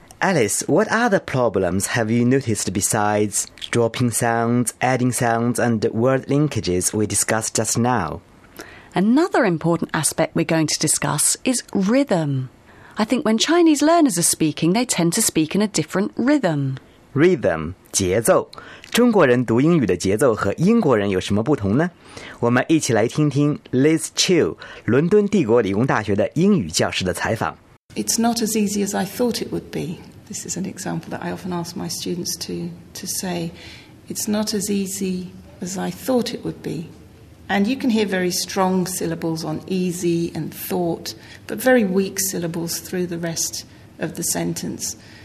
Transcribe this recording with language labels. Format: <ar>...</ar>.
<en>Alice, what other problems have you noticed besides dropping sounds, adding sounds and word linkages we discussed just now? Another important aspect we're going to discuss is rhythm. I think when Chinese learners are speaking, they tend to speak in a different rhythm.</en> <zh>Rhythm, 节奏。中国人读英语的节奏和英国人有什么不同呢？我们一起来听听 Liz Chiu, 伦敦帝国理工大学的英语教师的采访。</zh> <en>It's not as easy as I thought it would be. This is an example that I often ask my students to say. It's not as easy as I thought it would be. And you can hear very strong syllables on easy and thought, but very weak syllables through the rest of the sentence.</en>